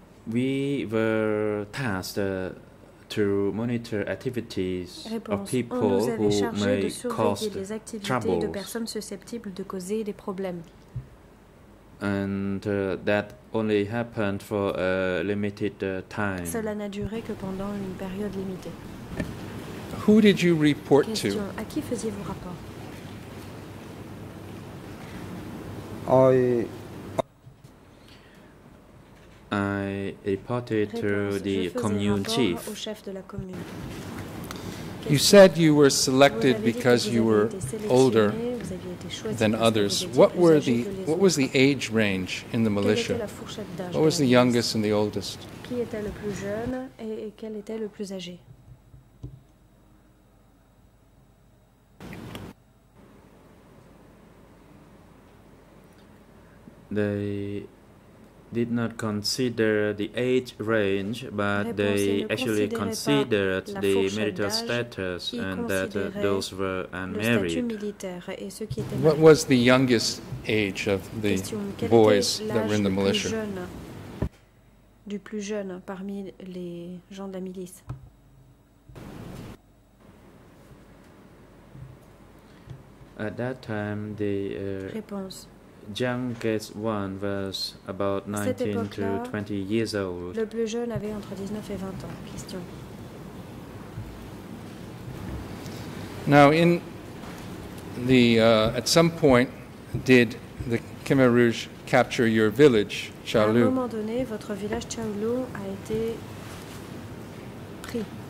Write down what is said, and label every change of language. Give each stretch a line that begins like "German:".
English: We were tasked to monitor activities of people who may cause trouble.
French: De personnes susceptibles de causer des problèmes.
English: And that only happened for a limited time.
French: Cela n'a duré que pendant une période limitée.
English: Who did you report to?
French: À qui faisiez-vous rapport?
English: I reported to the commune chief.
French: Au chef de la commune.
English: You said you were selected because you were older than others. What was the age range in the militia? What was the youngest and the oldest?
French: Qui était le plus jeune et quel était le plus âgé?
English: They did not consider the age range, but they actually considered the marital status and that those were unmarried. What was the youngest age of the boys that were in the militia?
French: Du plus jeune parmi les gens de la milice.
English: At that time, the youngest one was about 19 to 20 years old.
French: Le plus jeune avait entre 19 et 20 ans. Question.
English: Now, in the at some point, did the Khmer Rouge capture your village, Chaolu?
French: À un moment donné, votre village Chaolu a été pris.